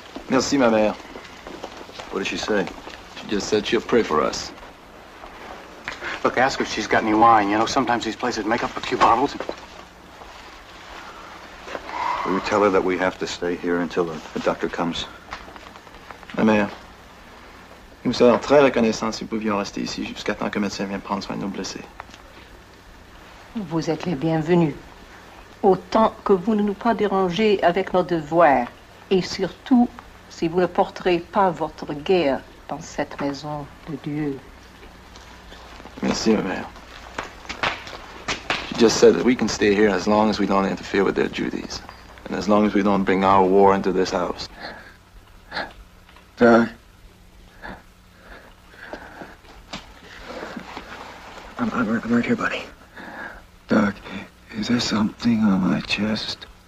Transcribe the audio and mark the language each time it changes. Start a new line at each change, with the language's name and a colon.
French: Merci, ma mère.
English: What did she say? She just said she'll pray for us. Look, ask her if she's got any wine. You know, sometimes these places make up a few bottles. Will you tell her that we have to stay here until the doctor comes?
French: Ma mère, nous serons très reconnaissants si nous pouvions rester ici jusqu'à temps que le médecin vienne prendre soin de nos blessés. Vous êtes les bienvenus. Autant que vous ne nous pas déranger avec nos devoirs. Et surtout, si vous ne porterez pas votre guerre dans cette maison de Dieu. Merci, ma mère.
English: She just said that we can stay here as long as we don't interfere with their duties. And as long as we don't bring our war into this house. Doc. I'm right here, buddy. Doc, is there something on my chest?